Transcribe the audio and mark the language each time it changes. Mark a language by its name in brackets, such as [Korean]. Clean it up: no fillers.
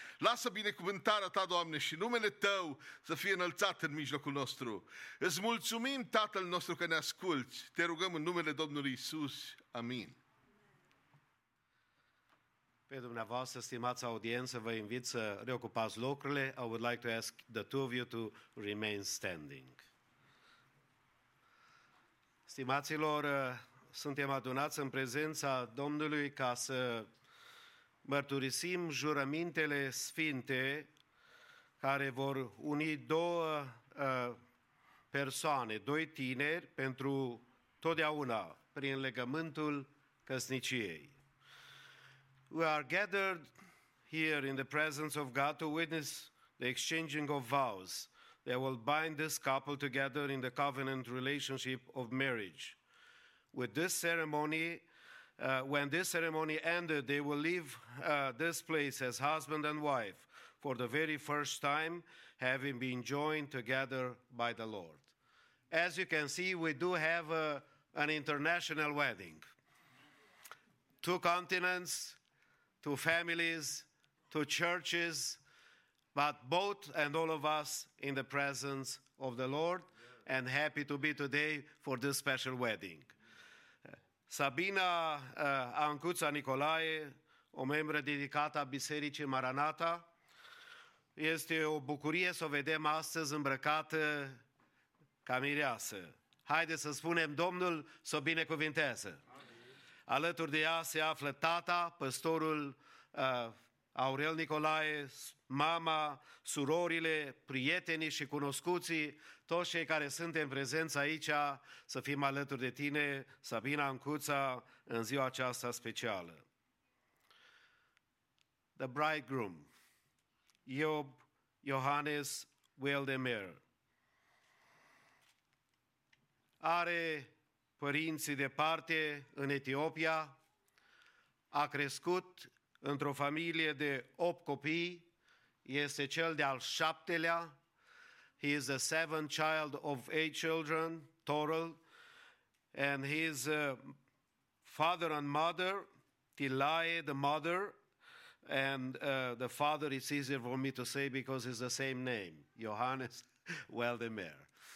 [Romanian] Lasă binecuvântarea ta, Doamne, și numele tău să fie înălțat în mijlocul nostru. Îți mulțumim, Tatăl nostru, că ne asculți. Te rugăm în numele Domnului Iisus. Amin. Pe dumneavoastră, stimați audiență, vă invit să reocupați locurile. [English] I would like to ask the two of you to remain standing. [Romanian] Stimaților, suntem adunați în prezența Domnului ca să mărturisim jurămintele sfinte care vor uni două persoane, doi tineri, pentru totdeauna, prin legământul căsniciei. [English] We are gathered here in the presence of God to witness the exchanging of vows that will bind this couple together in the covenant relationship of marriage. With this ceremony, when this ceremony ended, they will leave this place as husband and wife for the very first time, having been joined together by the Lord. As you can see, we do have an international wedding. Two continents, two families, two churches, but both and all of us in the presence of the Lord and happy to be today for this special wedding. [Romanian] Sabina Ancuța Nicolae, o membră dedicată a Bisericii Maranata, este o bucurie să o vedem astăzi îmbrăcată ca mireasă. Haideți să spunem Domnul să o binecuvinteze. Amin. Alături de ea se află tata, păstorul Aurel Nicolae, mama, surorile, prietenii și cunoscuții, toți cei care suntem prezenți aici, să fim alături de tine, Sabina Ancuța, în ziua aceasta specială. [English] The bridegroom, [Romanian] Iob Johannes Wildemeyer, are părinții departe în Etiopia, a crescut într-o familie de 8 copii, este cel de-al 7-lea. [English] He is the 7th child of 8 children, total. And his father and mother, Tilae, the mother, and the father, it's easier for me to say because it's the same name, Johannes Wildemeyer.